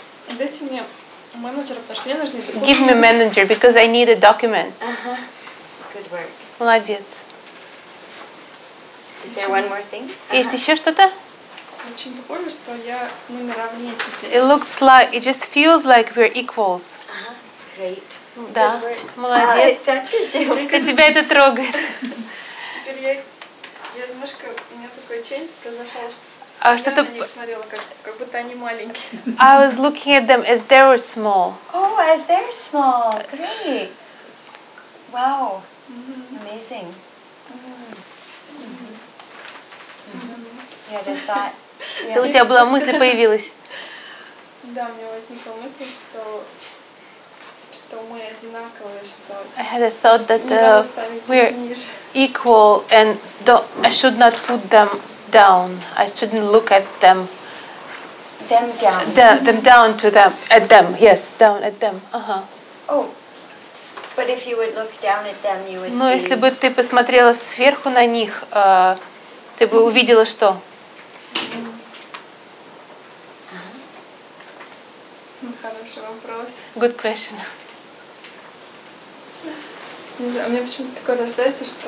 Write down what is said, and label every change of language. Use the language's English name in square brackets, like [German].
[Russian] Дайте мне менеджера, потому что мне нужны документы. [English] Give me manager because I need the documents. Good work. [Russian] Молодец. [English] Is there one more thing? [Russian] Есть еще что-то? Очень похоже, что мы наравне теперь. [English] It looks like it just feels like we're equals. Great. [Russian] Да. Молодец. И тебя это трогает. Теперь я немножко. [English] Change, [Russian] произошло, что я на них смотрела, как будто они маленькие. [English] I was looking at them as they were small. Oh, as they're small. Great. Wow. Mm-hmm. Amazing. Mm-hmm. [Russian] Yeah, у тебя была мысль появилась. Да, у меня возникла мысль, что мы одинаковые, что [English] I had a thought that we're equal and I should not put them down. I shouldn't look at them. Them down. Them down to them. At them. Yes, down at them. Uh-huh. Oh. But if you would look down at them, you would see. [Russian] Если бы ты посмотрела сверху на них, ты бы увидела что? Хороший вопрос. [English] Good question. [Russian] Не знаю, у меня почему-то такое рождается, что